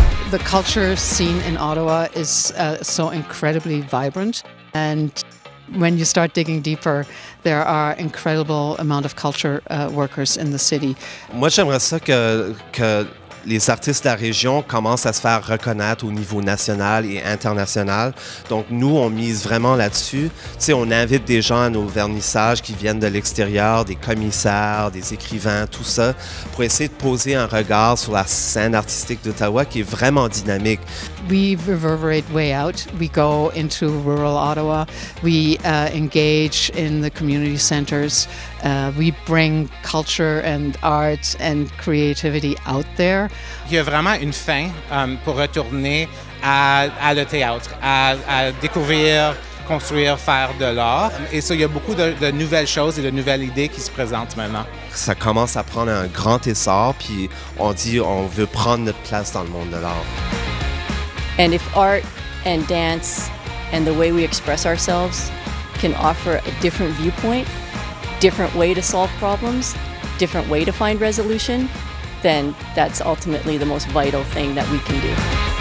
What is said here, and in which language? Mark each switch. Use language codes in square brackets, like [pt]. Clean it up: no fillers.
[en] The culture scene in Ottawa is so incredibly vibrant, and when you start digging deeper, there are incredible amount of culture workers in the city. [fr] Moi, j'aimerais ça que les artistes de la région commencent à se faire reconnaître au niveau national et international. Donc, nous, on mise vraiment là-dessus. Tu sais, on invite des gens à nos vernissages qui viennent de l'extérieur, des commissaires, des écrivains, tout ça, pour essayer de poser un regard sur la scène artistique d'Ottawa qui est vraiment dynamique. [en] We reverberate way out. We go into rural Ottawa. We engage in the community centers. We bring culture and art and creativity out there. [fr] Il y a vraiment une faim pour retourner à le théâtre, à découvrir, construire, faire de l'art. Et ça, il y a beaucoup de nouvelles choses et de nouvelles idées qui se présentent maintenant. Ça commence à prendre un grand essor, puis on dit on veut prendre notre place dans le monde de l'art. [en] And if art and dance and the way we express ourselves can offer a different viewpoint, different way to solve problems, different way to find resolution, then that's ultimately the most vital thing that we can do.